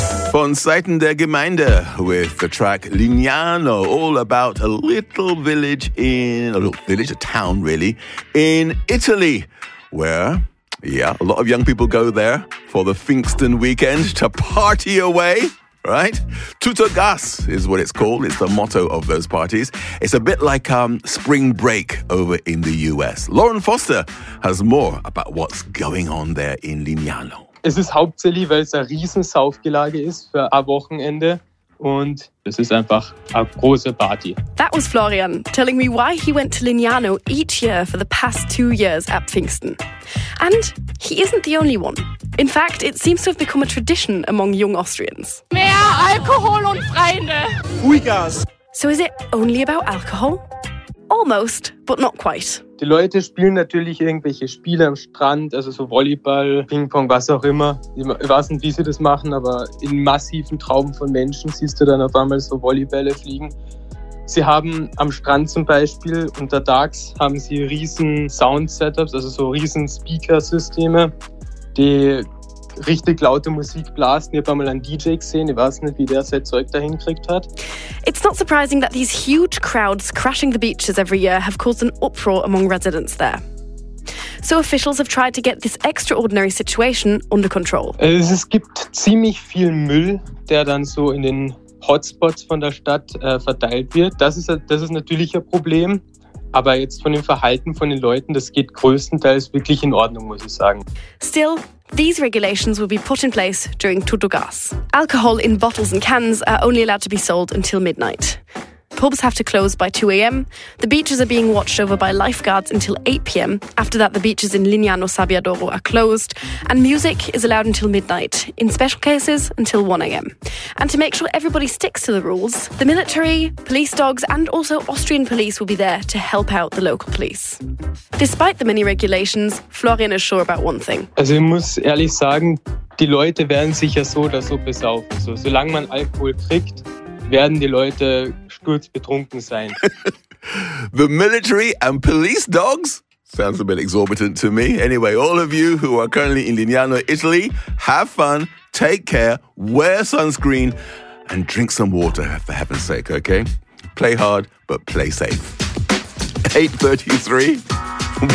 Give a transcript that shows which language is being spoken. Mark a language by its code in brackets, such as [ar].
[de] Von Seiten der Gemeinde [en] with the track Lignano, all about a little village in, a little village, a town really, in Italy, where, yeah, a lot of young people go there for the Pfingsten weekend to party away. Right? Tutto gas is what it's called. It's the motto of those parties. It's a bit like spring break over in the US. Lauren Foster has more about what's going on there in Lignano. [de] Es ist hauptsächlich, weil es ein riesen Saufgelage ist für ein Wochenende und es ist einfach eine große Party. [en] That was Florian telling me why he went to Lignano each year for the past 2 years at Pfingsten. And he isn't the only one. In fact, it seems to have become a tradition among young Austrians. [de] Mehr Alkohol und Freunde. Huigas. [en] So is it only about alcohol? Almost, but not quite. [de] Die Leute spielen natürlich irgendwelche Spiele am Strand, also so Volleyball, Ping-Pong, was auch immer. Ich weiß nicht, wie sie das machen, aber in massiven Trauben von Menschen siehst du dann auf einmal so Volleybälle fliegen. Sie haben am Strand zum Beispiel unter Darks haben sie riesen Sound-Setups, also so riesen Speaker-Systeme, die richtig laute Musik blasten. Ich habe einmal einen DJ gesehen, ich weiß nicht, wie der sein Zeug dahin gekriegt hat. [en] It's not surprising that these huge crowds crashing the beaches every year have caused an uproar among residents there. So officials have tried to get this extraordinary situation under control. [de] Es gibt ziemlich viel Müll, der dann so in den Hotspots von der Stadt verteilt wird. Das ist natürlich ein Problem. Aber jetzt von dem Verhalten von den Leuten, das geht größtenteils wirklich in Ordnung, muss ich sagen. [en] Still, these regulations will be put in place during Tuttugas. Alcohol in bottles and cans are only allowed to be sold until midnight. Pubs have to close by 2 a.m. The beaches are being watched over by lifeguards until 8 p.m. After that, the beaches in Lignano Sabbiadoro are closed. And music is allowed until midnight. In special cases, until 1 a.m. And to make sure everybody sticks to the rules, the military, police dogs and also Austrian police will be there to help out the local police. Despite the many regulations, Florian is sure about one thing. [de] Also ich muss ehrlich sagen, die Leute werden sich ja so oder so besaufen. So, solange man Alkohol kriegt, werden die Leute sturzbetrunken sein. [en] The military and police dogs? Sounds a bit exorbitant to me. Anyway, all of you who are currently in Lignano, Italy, have fun, take care, wear sunscreen and drink some water, for heaven's sake, okay? Play hard, but play safe. 8:33.